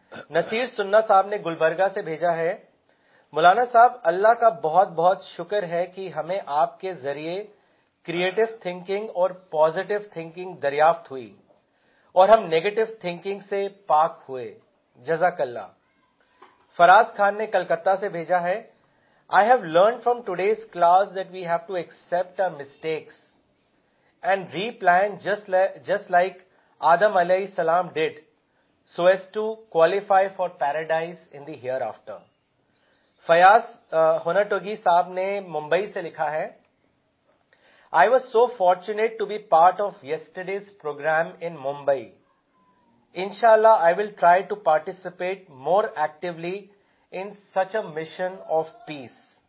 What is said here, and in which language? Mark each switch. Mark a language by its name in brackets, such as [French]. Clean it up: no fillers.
[Urdu] Naseer Sunna sahab ne Gulbarga se bheja hai, Maulana sahab, Allah ka bahut bahut shukr hai ki hame aapke zariye creative thinking اور positive thinking دریافت ہوئی اور ہم negative thinking سے پاک ہوئے. جزاک اللہ. فراز خان نے کلکتہ سے بھیجا ہے, [English] I have learn from today's class that we have to accept our mistakes and replan just like Adam علیہ السلام did so as to qualify for paradise in the hereafter. [Urdu] Fayyaz ہنٹوگی صاحب نے ممبئی سے لکھا ہے, [English] I was so fortunate to be part of yesterday's program in Mumbai. Inshallah, I will try to participate more actively in such a mission of peace.